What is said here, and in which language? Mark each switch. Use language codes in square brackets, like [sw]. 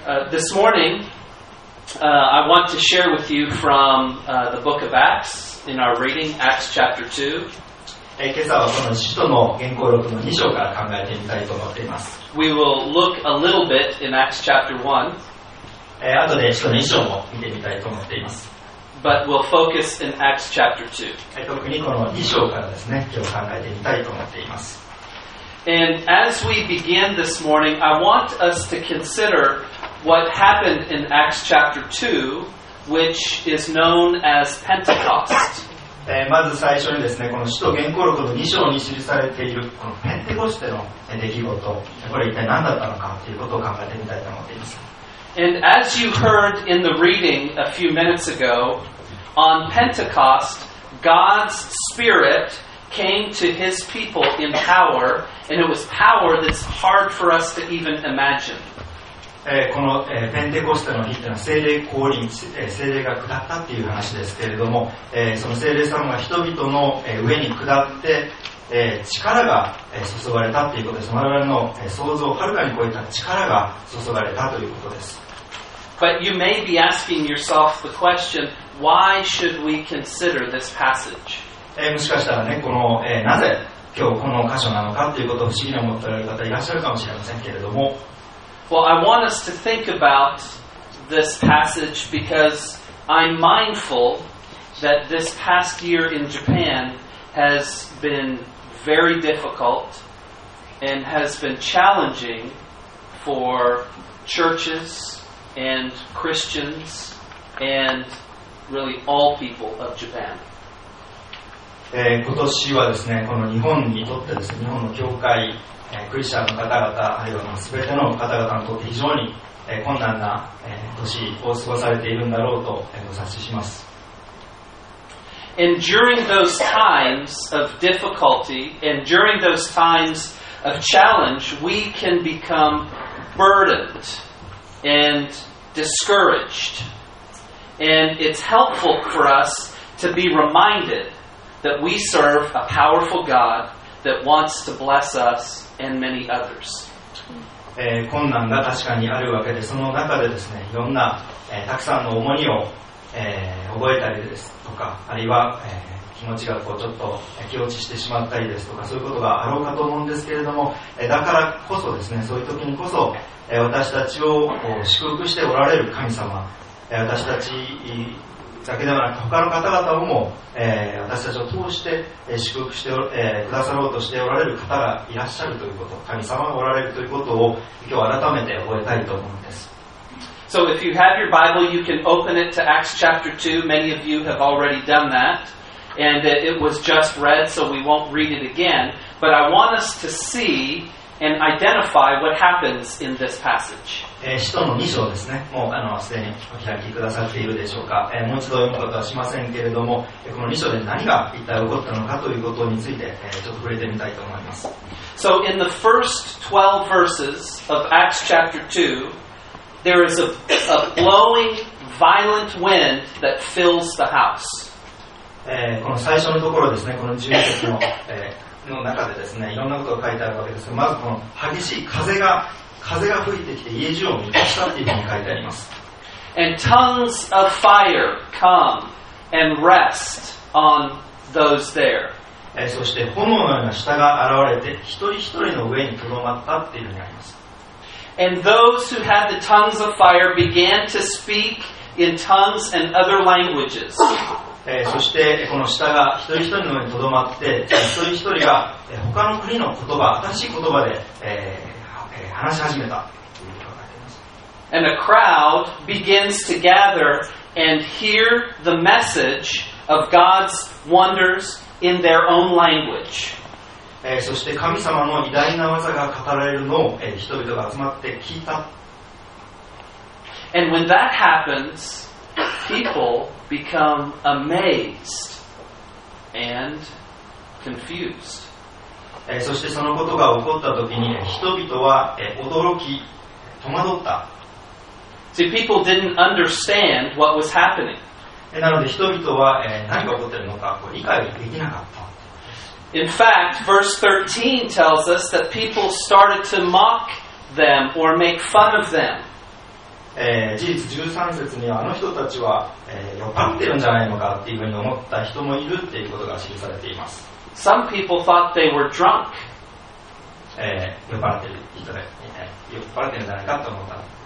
[en] This morning, I want to share with you from the book of Acts in our reading, Acts chapter 2. [ja] 今朝はその使徒の言行録の2章から考えてみたいと思っています。 [en] We will look a little bit in Acts chapter 1. [ja] 後で使徒の2章も見てみたいと思っています。 [en] But we'll focus in Acts chapter 2. [ja] 特にこの2章からですね、今日考えてみたいと思っています。 [en] And as we begin this morning, I want us to consider... What happened in Acts chapter 2, which is known as Pentecost. [ja] まず最初にですね、この使徒言行録の2章に記されているこのペンテコステの出来事、これ一体何だったのかということを考えてみたいと思っています。 [en] And as you heard in the reading a few minutes ago, on Pentecost, God's Spirit came to His people in power, and it was power that's hard for us to even imagine. [ja] このペンテコステの日というのは聖霊降臨、聖霊が下ったという話ですけれども、その聖霊様が人々の上に下って力が注がれたということです。我々の想像をはるかに超えた力が注がれたということです。 [en] But you may be asking yourself the question, why should we consider this passage? [ja] もしかしたらね、このなぜ今日この箇所なのかということを不思議に思っておられる方いらっしゃるかもしれませんけれども、 [en] Well, I want us to think about this passage because I'm mindful that this past year in Japan has been very difficult and has been challenging for churches and Christians and really all people of Japan. [ja] 今年はですね、この日本にとってですね、日本の教会クリスチャンの方々、あるいは全ての方々にとって非常に困難な年を過ごされているんだろうとお察しします。 [en] And during those times of difficulty and during those times of challenge, we can become burdened and discouraged. And it's helpful for us to be reminded that we serve a powerful God that wants to bless us and many others. [ja] 困難が確かにあるわけで、その中でですね、いろんな、たくさんの重荷を、覚えたりですとか、あるいは、気持ちがこうちょっと気落ちしてしまったりですとか、そういうことがあろうかと思うんですけれども、だからこそですね、そういう時にこそ、私たちをこう祝福しておられる神様、私たちだけではなく他の方々も、私たちを通して祝福して、くださろうとしておられる方がいらっしゃるということ、神様がおられるということを今日改めて覚えたいと思うんです。 [en] So if you have your Bible, you can open it to Acts chapter 2. Many of you have already done that, and it was just read, so we won't read it again, but I want us to see and identify what happens in this passage. [ja] 使徒の2章ですね。もうすでにお開きくださっているでしょうか。もう一度読むことはしませんけれども、この2章で何が一体起こったのかということについて、ちょっと触れてみたいと思います。 [en] So in the first 12 verses of Acts chapter 2, there is a blowing violent wind that fills the house. [ja] この最初のところですね、この10節の、の中でですね、いろんなことが書いてあるわけですが、まずこの激しい風が吹いてきて家中を満たしたというふうに書いてあります。 [en] And tongues of fire come and rest on those there. [ja] そして炎のような舌が現れて一人一人の上にとどまったっていうふうにあります。 [en] And those who had the tongues of fire began to speak in tongues and other languages. [ja] そしてこの舌が一人一人の上にとどまって、一人一人が他の国の言葉、新しい言葉で、話し始めたということになります。 [en] And a crowd begins to gather and hear the message of God's wonders in their own language. [ja] そして神様の偉大な技が語られるのを、人々が集まって聞いた。 [en] And when that happens, people become amazed and confused. [ja] そしてそのことが起こったときに、人々は驚き、戸惑った。 [en] See, people didn't understand what was happening. [ja] なので人々は何が起こっているのか理解できなかった。 [en] In fact, verse 13 tells us that people started to mock them or make fun of them. [ja] 事実13節にはあの人たちは、酔っ払ってるんじゃないのかっていうふうに思った人もいるっていうことが記されています。 [en] Some people thought they were drunk. [ja] 酔っ払ってるんじゃないかと思った。